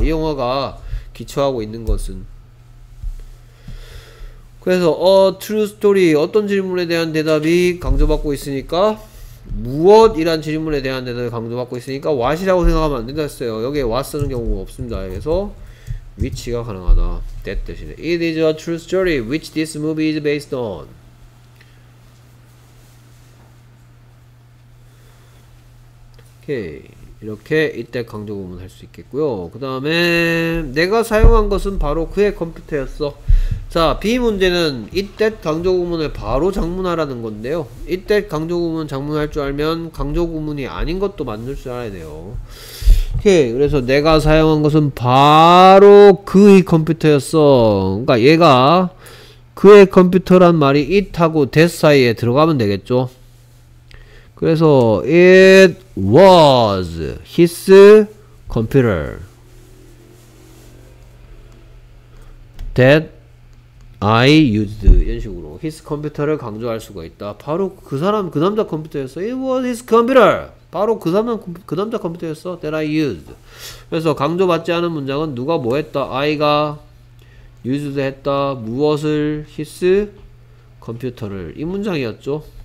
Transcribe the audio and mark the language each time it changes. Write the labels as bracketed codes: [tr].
[ko] 이 영화가 기초하고 있는 것은. 그래서 어 트루 스토리, 어떤 질문에 대한 대답이 강조받고 있으니까, 무엇 이란 질문에 대한 대답을 강조받고 있으니까 what이라고 생각하면 안 된다 했어요. 여기에 what 쓰는 경우가 없습니다. 그래서 which가 가능하다. [en] that [ko] 대신에 [en] it is a true story which this movie is based on. [ko] 오케이. 이렇게 이때 강조 구문 할 수 있겠고요. 그 다음에 내가 사용한 것은 바로 그의 컴퓨터였어. 자, B 문제는 이때 강조 구문을 바로 장문하라는 건데요. 이때 강조 구문 장문할 줄 알면 강조 구문이 아닌 것도 만들 줄 알아야 돼요. 오케이. 그래서 내가 사용한 것은 바로 그의 컴퓨터였어. 그러니까 얘가 그의 컴퓨터란 말이 it하고 that 사이에 들어가면 되겠죠. 그래서 [en] it was his computer that I used. [ko] 이런 식으로 his computer를 강조할 수가 있다. 바로 그 사람, 그 남자 컴퓨터였어. [en] It was his computer. [ko] 바로 그 사람, 그 남자 컴퓨터였어. [en] That I used. [ko] 그래서 강조받지 않은 문장은 누가 뭐 했다. I가 used 했다. 무엇을? his computer를. 이 문장이었죠.